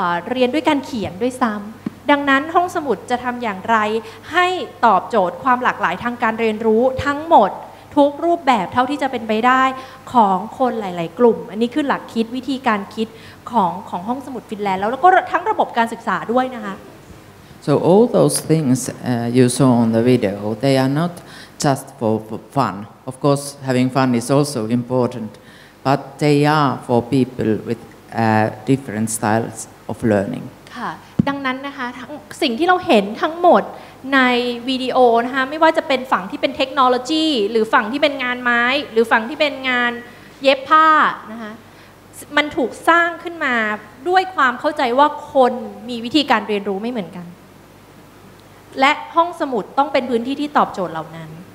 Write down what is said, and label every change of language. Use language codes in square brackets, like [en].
[th] เรียนด้วยการเขียนด้วยซ้ำดังนั้นห้องสมุดจะทำอย่างไรให้ตอบโจทย์ความหลากหลายทางการเรียนรู้ทั้งหมดทุกรูปแบบเท่าที่จะเป็นไปได้ของคนหลายๆกลุ่มอันนี้คือหลักคิดวิธีการคิดของห้องสมุดฟินแลนด์แล้วก็ทั้งระบบการศึกษาด้วยนะคะ [en] So all those things you saw on the video they are not just for fun of course having fun is also important but they are for people with different styles of learning [th] ค่ะดังนั้นนะคะทั้งสิ่งที่เราเห็นทั้งหมดในวิดีโอนะคะไม่ว่าจะเป็นฝั่งที่เป็นเทคโนโลยีหรือฝั่งที่เป็นงานไม้หรือฝั่งที่เป็นงานเย็บผ้านะคะมันถูกสร้างขึ้นมาด้วยความเข้าใจว่าคนมีวิธีการเรียนรู้ไม่เหมือนกันและห้องสมุดต้องเป็นพื้นที่ที่ตอบโจทย์เหล่านั้น